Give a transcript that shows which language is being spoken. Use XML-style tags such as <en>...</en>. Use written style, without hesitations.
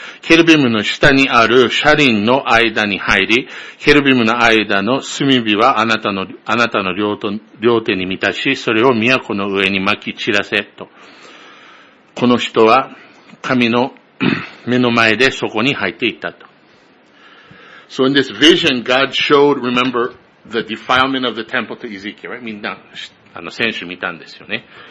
<ja>ケルビムの下にある車輪の間に入り、ケルビムの間の炭火はあなたの 両手に満たし、それを都の上に撒き散らせと。この人は神の目の前でそこに入っていったと。</ja> <en>So in this vision, God showed, remember, the defilement of the temple to Ezekiel, right?</en> <ja>みんな、先週見たんですよね。</ja>